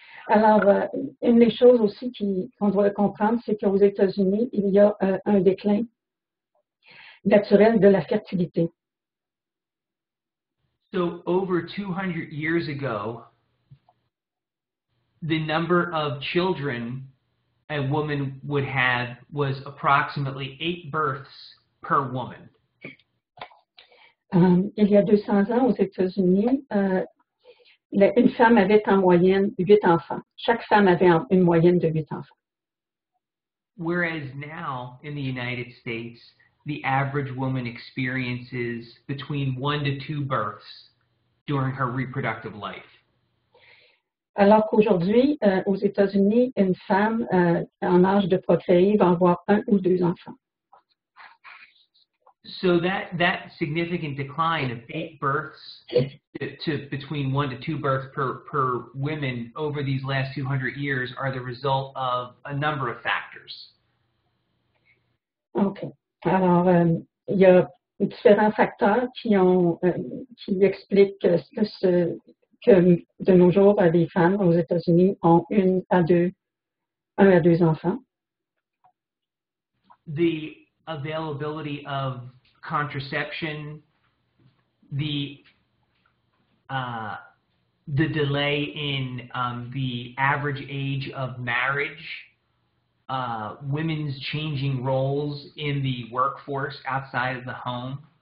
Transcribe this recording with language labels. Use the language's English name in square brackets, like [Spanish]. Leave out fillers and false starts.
[French] Alors, une des choses aussi qu'on doit comprendre, c'est qu'aux États-Unis, il y a un déclin naturel de la fertilité. [English] So over 200 years ago, the number of children a woman would have was approximately 8 births per woman. [French] Il y a 200 ans aux États-Unis, une femme avait en moyenne 8 enfants. Chaque femme avait une moyenne de 8 enfants. [English] Whereas now in the United States, the average woman experiences between 1 to 2 births during her reproductive life. [French] Alors qu'aujourd'hui, aux États-Unis, une femme en âge de procréer va avoir 1 ou 2 enfants. [English] So that significant decline of 8 births to between 1 to 2 births per women over these last 200 years are the result of a number of factors. Okay. [French] Alors, il y a différents facteurs qui expliquent que de nos jours, les femmes aux États-Unis ont 1 à 2 enfants. [English] The availability of contraception, the delay in the average age of marriage, women's changing roles in the workforce outside of the home,